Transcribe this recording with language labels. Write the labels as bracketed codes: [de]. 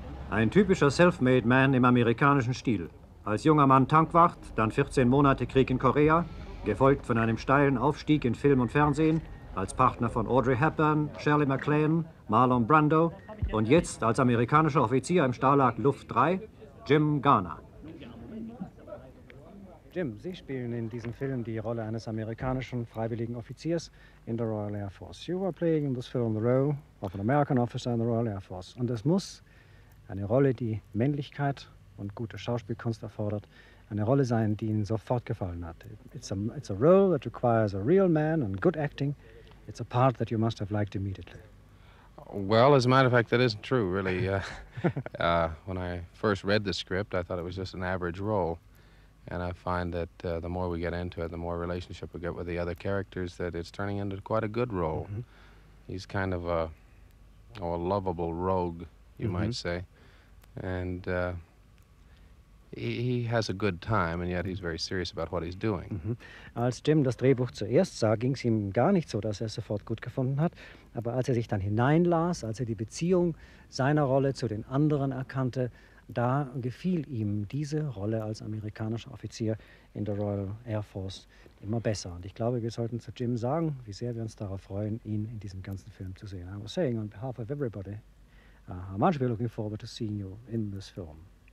[de] Ein typischer Self-Made-Man im amerikanischen Stil. Als junger Mann Tankwart, dann 14 Monate Krieg in Korea, gefolgt von einem steilen Aufstieg in Film und Fernsehen, als Partner von Audrey Hepburn, Shirley MacLaine, Marlon Brando und jetzt als amerikanischer Offizier im Stalag Luft 3, Jim Garner. Jim, Sie spielen in diesem Film die Rolle eines amerikanischen freiwilligen Offiziers in der Royal Air Force. [en] You are playing in this film the role of an American officer in the Royal Air Force. [de] Und es muss eine Rolle, die Männlichkeit und gute Schauspielkunst erfordert, eine Rolle sein, die Ihnen sofort gefallen hat. [en] It's a role that requires a real man and good acting. It's a part that you must have liked immediately. Well, as a matter of fact, that isn't true, really. when I first read the script, I thought it was just an average role. And I find that the more we get into it, the more relationship we get with the other characters, that it's turning into quite a good role. Mm-hmm. He's kind of a lovable rogue, you might say. And He has a good time, and yet he's very serious about what he's doing. Mm-hmm. [de] Als Jim das Drehbuch zuerst sah, ging es ihm gar nicht so, dass er es sofort gut gefunden hat. Aber als er sich dann hineinlas, als er die Beziehung seiner Rolle zu den anderen erkannte, da gefiel ihm diese Rolle als amerikanischer Offizier in der Royal Air Force immer besser. Und ich glaube, wir sollten zu Jim sagen, wie sehr wir uns darauf freuen, ihn in diesem ganzen Film zu sehen. [en] I was saying on behalf of everybody, how much we're looking forward to seeing you in this film.